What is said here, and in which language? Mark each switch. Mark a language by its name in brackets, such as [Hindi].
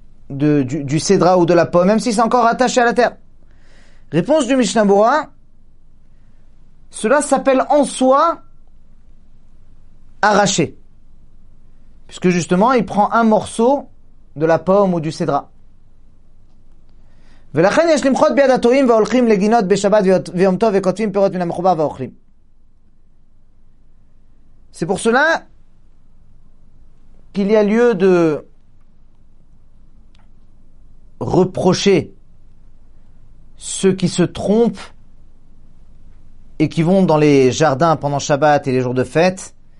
[French] du cédra ou de la pomme, même si c'est encore attaché à la terre? Réponse du Mishnah Berurah, cela s'appelle en soi arraché, puisque justement il prend un morceau de la pomme ou du cédra. [Hebrew] ולכן יש למחות ביד התורים והולכים לגינות בשבת ויום טוב וכותבים פירות מן המחובה ואוכלים. [French] C'est pour cela qu'il y a lieu de reprocher ceux qui se trompent et qui vont dans les jardins pendant Shabbat et les jours de fête.